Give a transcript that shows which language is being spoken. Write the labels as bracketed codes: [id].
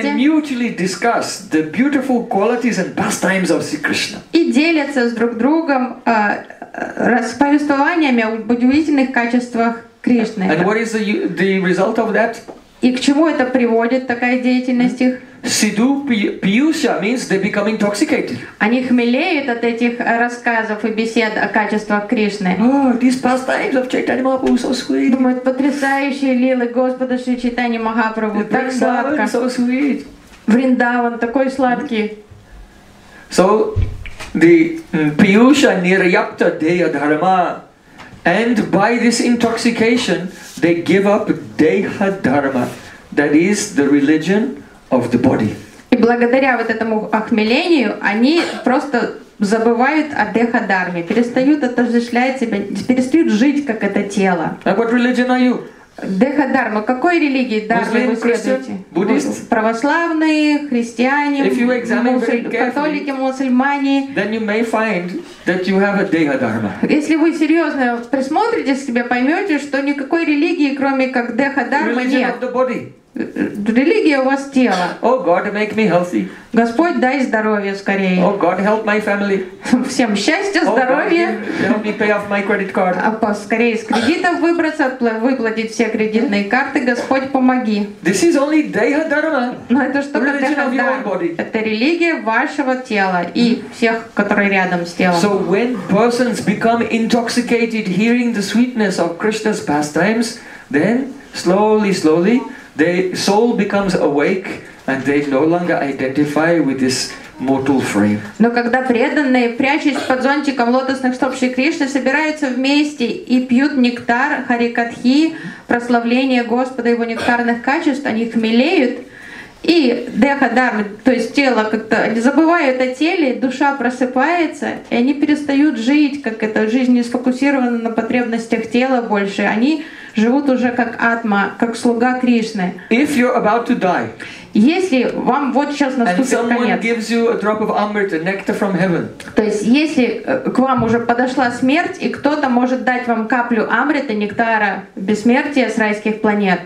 [en] And they mutually discuss the beautiful qualities and pastimes of Sri Krishna. [ru] И делятся с друг другом повествованиями об удивительных качествах Кришны. [en] And what is the result of that? [ru] И к чему это приводит такая деятельность их? [en] Siddhu piyusha means they become intoxicated. [ru] Они хмелеют от этих рассказов и бесед о качествах Кришны. [en] Oh, these pastimes of Chaitanya Mahaprabhu so sweet. [ru] Думают, потрясающие лилы Господа Шри Чайтанья Махапрабху. Так сладко. [en] So sweet. [ru] Вриндаван такой сладкий. [sa] So the piyusha nirayapta deya dharma. [en] And by this intoxication, they give up deha dharma, that is the religion of the body. [ru] И благодаря вот этому охмелению они просто забывают о деха дарме, перестают отождествлять себя, перестают жить как это тело. [en] And what religion are you? [ru] Деха дарма. Какой религии дармы вы следуете? Буддист? Православные, христиане, католики, мусульмане. [en] Then you may find that you have a deha dharma. [ru] Если вы серьезно присмотритесь к себе, поймете, что никакой религии, кроме как деха дармы, нет. [en] Religion of the body. [ru] Религия у вас тело. [en] Oh God, make me healthy. [ru] Господь, дай здоровье скорее. [en] Oh God, help my family. [ru] Всем счастья, здоровья. [en] Oh God, help me pay off my credit card. [ru] А поскорее из кредитов выбраться, выплатить все кредитные карты. Господь, помоги. [en] This is only deha dharma. [ru] Но это что такое? [en] Religion of your own body. [ru] Это религия вашего тела и всех, которые рядом с телом. [en] So when persons become intoxicated hearing the sweetness of Krishna's pastimes, then slowly, slowly, the soul becomes awake and they no longer identify with this mortal frame. [ru] Но когда преданные, прячась под зонтиком лотосных стоп Шри Кришны, собираются вместе и пьют нектар харикатхи, прославление Господа его нектарных качеств, они хмелеют и деха дарма, то есть тело как-то забывают о теле, душа просыпается, и они перестают жить, как эта жизнь не сфокусирована на потребностях тела больше. Они живут уже как атма, как слуга Кришны. [en] If you're about to die, [ru] если вам вот сейчас наступит [en] and someone [ru] конец, [en] gives you a drop of amrita, nectar from heaven, [ru] то есть если к вам уже подошла смерть, и кто-то может дать вам каплю амрита, нектара, бессмертия с райских планет,